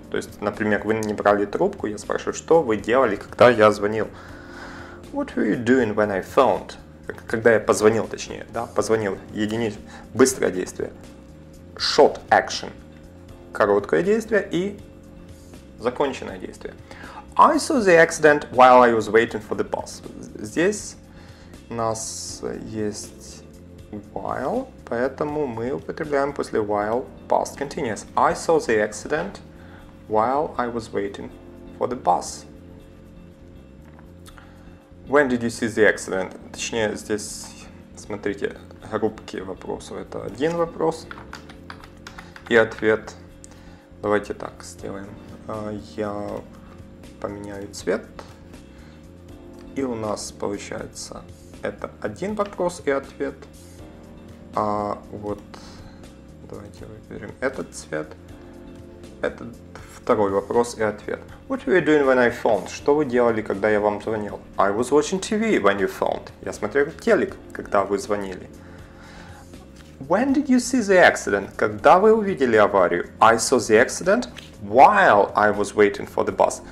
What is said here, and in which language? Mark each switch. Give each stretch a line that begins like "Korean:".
Russian: То есть, например, вы не брали трубку, я спрашиваю, что вы делали, когда я звонил.
English: What were you doing when I phoned?
Russian: Когда я позвонил, точнее, да, позвонил. Единица. Быстрое действие.
English: Short action.
Russian: Короткое действие и законченное действие.
English: I saw the accident while I was waiting for the bus.
Russian: Здесь у нас есть while, поэтому мы употребляем после while past continuous.
English: I saw the accident while I was waiting for the bus. When did you see the accident?
Russian: Точнее, здесь, смотрите, рубки вопросов. Это один вопрос и ответ. Давайте так сделаем. Я поменяю цвет. И у нас получается это один вопрос и ответ. А вот давайте выберем этот цвет. Это второй вопрос и ответ.
English: What were you doing when I phoned?
Russian: Что вы делали, когда я вам звонил?
English: I was watching TV when you phoned.
Russian: Я смотрел телек, когда вы звонили.
English: When did you see the accident?
Russian: Когда вы увидели аварию?
English: I saw the accident while I was waiting for the bus.